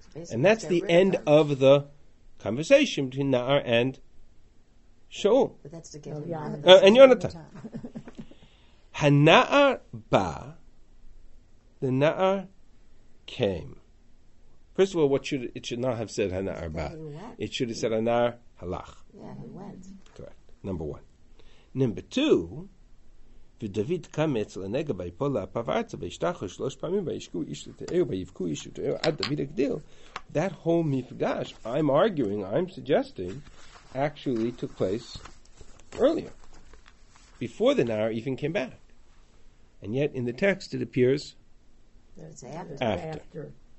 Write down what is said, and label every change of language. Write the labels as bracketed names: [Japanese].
[English] And that's the end of the conversation between Na'ar and Shaul. But that's to give And Yonatan. [Hebrew] Hana'ar ba, [English] the Na'ar came. First of all, what should it should not have said [Hebrew] Hana'ar ba. [English] It should have said [Hebrew] Hana'ar halach. [English] Yeah, he went. Correct. Number one. Number two, [Hebrew] ודוד קם אצל הנגב ויפול לאפיו ארצה וישתחו שלוש פעמים וישקו איש לתאהו ויבכו איש לתאהו עד דוד הגדיל. [English] That whole מפגש, I'm arguing, I'm suggesting, actually took place earlier, before the Na'ar even came back. And yet in the text it appears after.